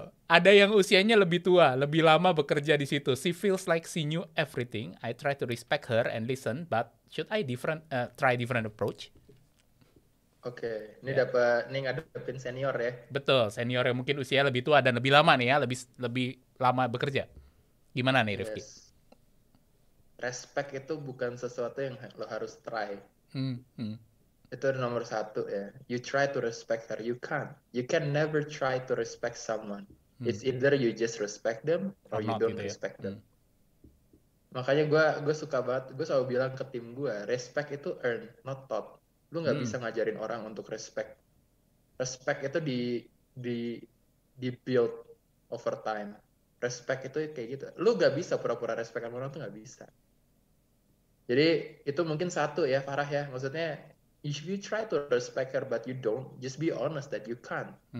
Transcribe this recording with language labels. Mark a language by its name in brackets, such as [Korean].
[Indonesian] Ada yang usianya lebih tua, lebih lama bekerja di situ. [English] She feels like she knew everything. I try to respect her and listen, but should I different try different approach? [Indonesian] Oke, ini [English] yeah. [Indonesian] Dapat ini ngadepin senior ya. Betul, senior yang mungkin usianya lebih tua dan lebih lama nih ya, lebih lama bekerja. Gimana nih, Rifki? [English] Yes. [Indonesian] Respect itu bukan sesuatu yang lo harus try. Itu nomor satu ya. [English] You try to respect her, you can't. You can never try to respect someone. It's either you just respect them or you don't respect them. [Indonesian] Makanya gue suka banget, gue selalu bilang ke tim gue, respect itu [English] earn, not taught. [Indonesian] Lu gak bisa ngajarin orang untuk respect. Respect itu di build over time. Respect itu kayak gitu. Lu gak bisa pura-pura respect sama orang, itu gak bisa. Jadi itu mungkin satu ya, Farah ya. Maksudnya, [English] if you try to respect her but you don't, just be honest that you can't.